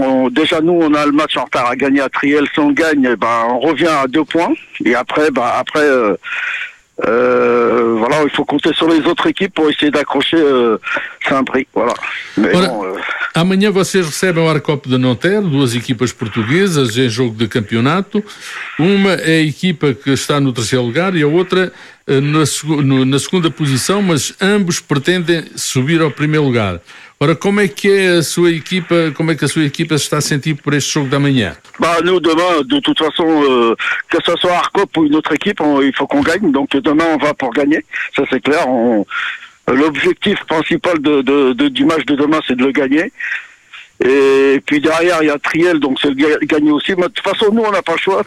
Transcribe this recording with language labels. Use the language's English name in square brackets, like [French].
[French] Déjà nous on a le match en retard à gagner à Triel, si on gagne on revient à 2 points et après il faut compter sur les autres équipes pour essayer d'accrocher Sampri, voilà. [Portuguese] Amanhã vocês recebem o Arcop de Nanterre, duas equipas portuguesas em jogo de campeonato. Uma é a equipa que está no terceiro lugar e a outra na segunda posição, mas ambos pretendem subir ao primeiro lugar. Ora, como é que é a sua equipa, como é que a sua equipa se está a sentir por este jogo de amanhã? [French] Bah, nous, demain, de toute façon, que ce soit Arcop ou une autre équipe, il faut qu'on gagne. Donc, demain, on va pour gagner. Ça, c'est clair. L'objectif principal du match de demain, c'est de le gagner. Et puis derrière, il y a Triel, donc c'est de gagner aussi. Mais de toute façon, nous, on n'a pas le choix.